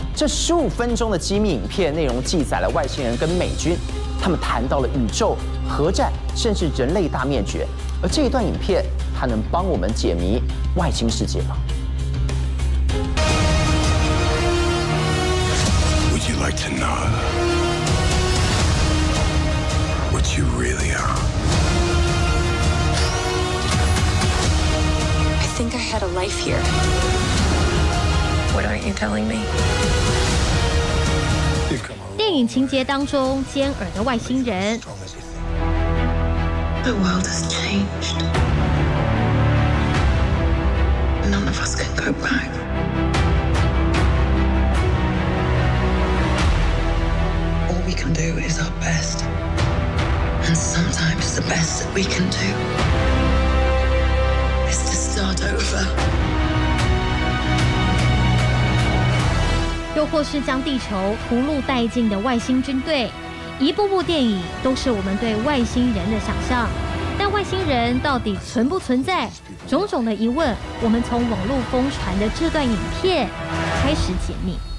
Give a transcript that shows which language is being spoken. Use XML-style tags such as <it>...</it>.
<zh>这15分钟的机密影片内容记载了外星人跟美军，他们谈到了宇宙、核战，甚至人类大灭绝。而这一段影片，它能帮我们解谜外星世界吗 ？</zh> <en>Would you like to know what you really are? I think I had a life here. What aren't you telling me?</en> <zh>电影情节当中，尖耳的外星人。</zh> <en>The world has changed. None of us can go back. All we can do is our best, and sometimes the best that we can do is to start over.</en> <zh>又或是将地球屠戮殆尽的外星军队，一部部电影都是我们对外星人的想象。但外星人到底存不存在？种种的疑问，我们从网络疯传的这段影片开始解密。</zh>